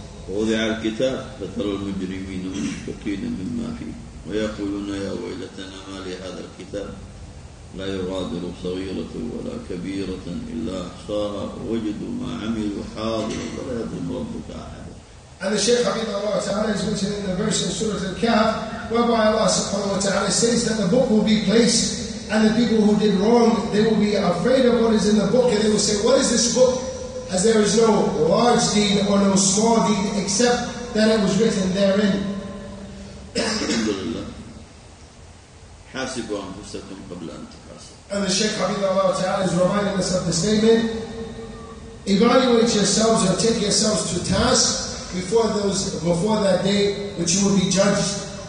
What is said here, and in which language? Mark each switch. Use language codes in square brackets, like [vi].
[ar] ووضع الكتاب فترى المجرمين مشفقين مما فيه ويقولون يا ويلتنا ما لهذا الكتاب لا يغادر صغيرة ولا كبيرة إلا أحصاها وجدوا ما عملوا حاضر ولا يظلم ربك أحد. [en] And the Shaykh Hamid Allah Ta'ala is mentioned in the verse of Surah Al-Kahf whereby Allah Subhanahu wa Ta'ala says that the book will be placed and the people who did wrong, they will be afraid of what is in the book and they will say, what is this book? As there is no large deed or no small deed except that it was written therein. Alhamdulillah. [ar] حاسبوا أنفسكم قبل أن تحاسب. [en] And the Shaykh Hamid Allah Ta'ala is reminding us of the statement, evaluate yourselves or take yourselves to task before that day which you will be judged.